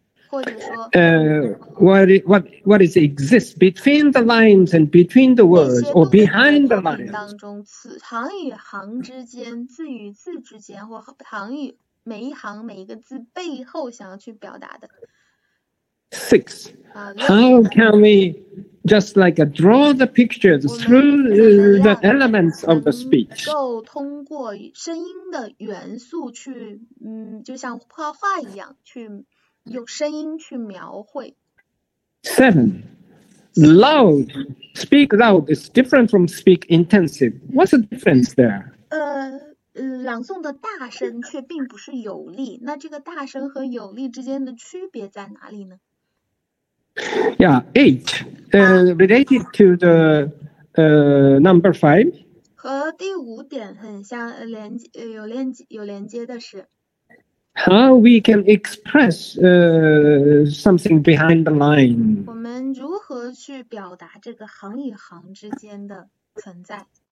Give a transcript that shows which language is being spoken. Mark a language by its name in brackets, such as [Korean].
[English] What is exists between the lines and between the words, or behind the lines? [Chinese] 当中，此行与行之间，字与字之间，或行与每一行每一个字背后想要去表达的。 [English] Six. How can we just like draw the pictures through the elements of the speech? [Chinese] 能够通过声音的元素去，就像画画一样去。用声音去描绘。 [English] Seven, loud, speak loud is different from speak intensive. What's the difference there? [Chinese] 朗诵的大声却并不是有力。那这个大声和有力之间的区别在哪里呢？ [English] Yeah, eight, related to the number five. [Chinese] 和第五点很像，有连接的是。 [English] How we can express something behind the line. [Chinese] 我们如何去表达这个行与行之间的存在？